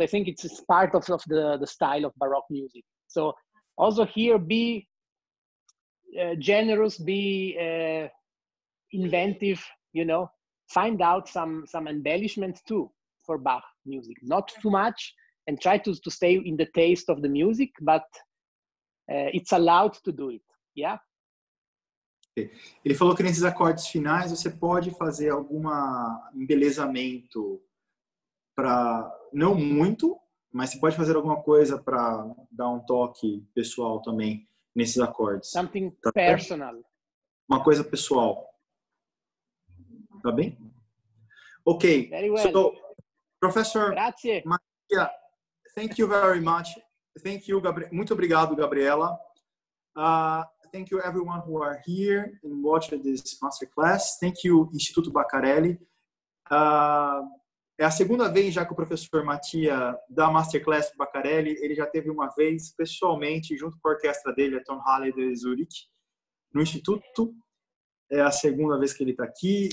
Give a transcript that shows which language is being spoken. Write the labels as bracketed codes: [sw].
[en] I think it's part of the style of Baroque music. So also here be generous, be inventive, you know, find out some embellishments too for Bach music. Not too much, and try to stay in the taste of the music, but it's allowed to do it, yeah? [pt] Ele falou que nesses acordes finais você pode fazer algum embelezamento para, não muito, mas você pode fazer alguma coisa para dar um toque pessoal também nesses acordes. [en] Something tá personal. [pt] Bem? Uma coisa pessoal. Tá bem? Ok. [en] Very well. So, professor. [it] Grazie. [en] Matia, thank you very much. Thank you, [pt] muito obrigado, [en] Gabriela. Thank you everyone who are here and watching this masterclass. Thank you, Instituto Baccarelli. [pt] É a segunda vez já que o professor Matia dá masterclass para Baccarelli. Ele já teve uma vez pessoalmente junto com a orquestra dele, a Tom Halley de Zurich, no Instituto. É a segunda vez que ele está aqui.